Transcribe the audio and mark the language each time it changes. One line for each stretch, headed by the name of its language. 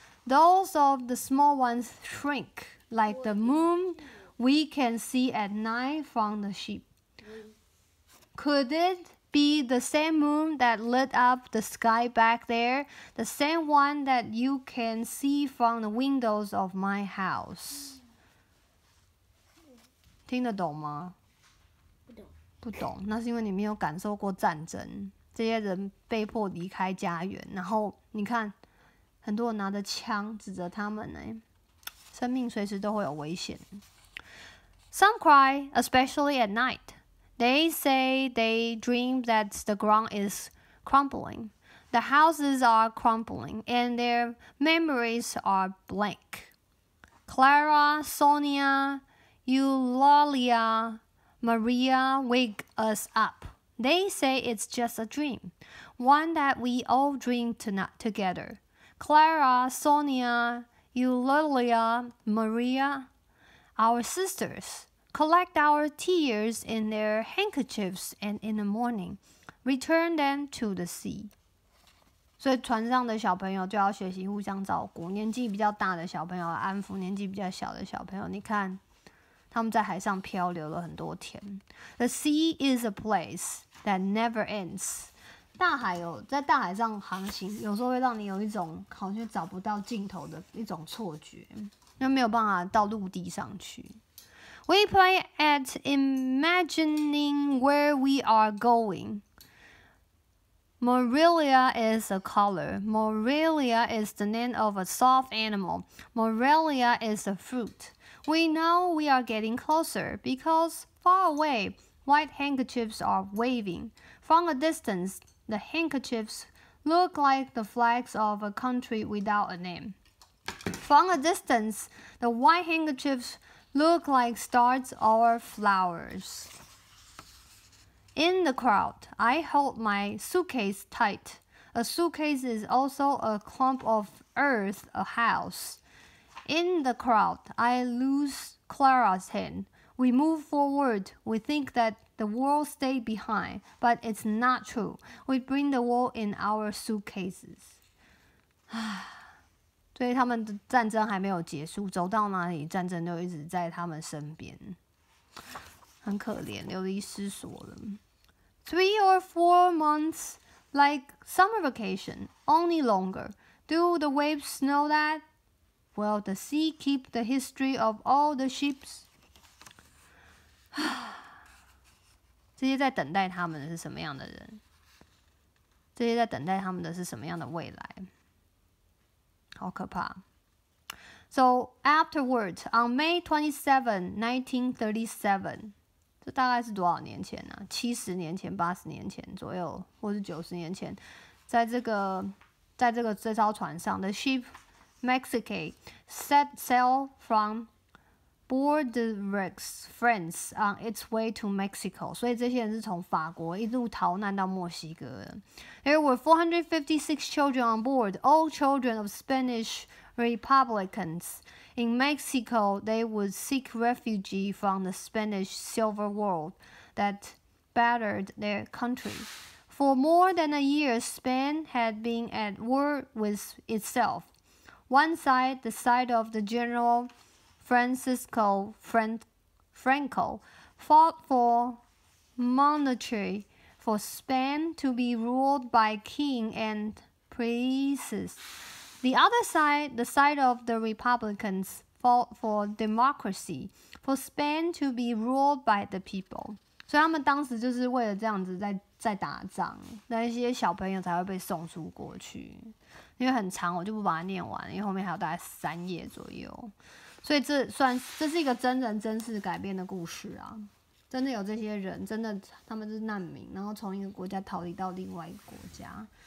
English: Those of the small ones shrink, like the moon we can see at night from the ship. Could it be the same moon that lit up the sky back there? The same one that you can see from the windows of my house?
Chinese: 听得懂吗？不懂。不懂，那是因为你没有感受过战争。这些人被迫离开家园，然后你看很多人拿着枪指着他们，生命随时都会有危险。
English: Some cry, especially at night. They say they dream that the ground is crumbling. The houses are crumbling and their memories are blank. Clara, Sonia, Eulalia, Maria wake us up. They say it's just a dream, one that we all dream tonight together. Clara, Sonia, Eulalia, Maria, our sisters, collect our tears in their handkerchiefs and in the morning, return them to the sea.
Chinese: 所以船上的小朋友就要学习互相照顾，年纪比较大的小朋友安抚年纪比较小的小朋友。你看，他们在海上漂流了很多天。
English: The sea is a place that never ends.
Chinese: 大海有在大海上航行，有时候会让你有一种好像找不到尽头的一种错觉，因为没有办法到陆地上去。
English: We play at imagining where we are going. Morelia is a color. Morelia is the name of a soft animal. Morelia is a fruit. We know we are getting closer because far away, white handkerchiefs are waving. From a distance, the handkerchiefs look like the flags of a country without a name. From a distance, the white handkerchiefs look like stars or flowers. In the crowd, I hold my suitcase tight. A suitcase is also a clump of earth, a house. In the crowd, I lose Clara's hand. We move forward. We think that the world stayed behind, but it's not true. We bring the world in our suitcases.
Chinese: 所以他们的战争还没有结束，走到哪里，战争就一直在他们身边。很可怜，流离失所了。
English: Three or four months, like summer vacation, only longer. Do the waves know that? Will the sea keep the history of all the ships?
Chinese: 这些在等待他们的是什么样的人？这些在等待他们的是什么样的未来？好可怕。
English: So afterwards, on May 27, 1937,
Chinese: 这大概是多少年前啊？70年前、80年前左右，或是90年前，在这艘船上的
English: ship Mexico set sail from Bordeaux, France on its way to Mexico.
Chinese: 所以这些人是从法国一路逃难到墨西哥的。
English: There were 456 children on board, all children of Spanish Republicans. In Mexico, they would seek refuge from the Spanish Civil War that battered their country. For more than a year, Spain had been at war with itself. One side, the side of the General Francisco Franco, fought for monarchy, for Spain to be ruled by king and princes. The other side, the side of the Republicans, fought for democracy, for Spain to be ruled by the people.
Chinese: 所以他们当时就是为了这样子在打仗，那一些小朋友才会被送出国去。因为很长，我就不把它念完，因为后面还有大概三页左右，所以这是一个真人真事改编的故事啊，真的有这些人，真的他们是难民，然后从一个国家逃离到另外一个国家，